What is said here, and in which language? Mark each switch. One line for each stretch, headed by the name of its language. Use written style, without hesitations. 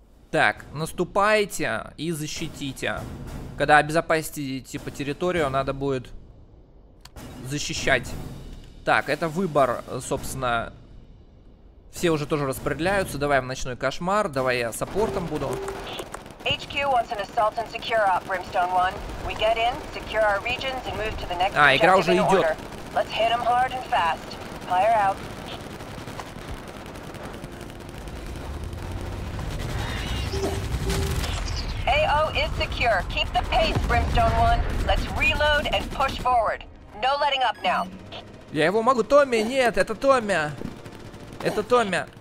Russian: Так, наступайте и защитите. Когда обезопасите типа территорию, надо будет защищать. Так, это выбор, собственно. Все уже тоже распределяются. Давай в ночной кошмар. Давай я саппортом буду.
English: HQ wants an assault and secure op, Brimstone 1. We get in, secure our regions and move to the next objective in order. Let's hit them hard and fast. Fire out. AO is secure. Keep the pace, Brimstone 1. Let's reload and push forward. No letting up now.
Russian: Я его могу, Томми? Нет, это Томми. Это Томми.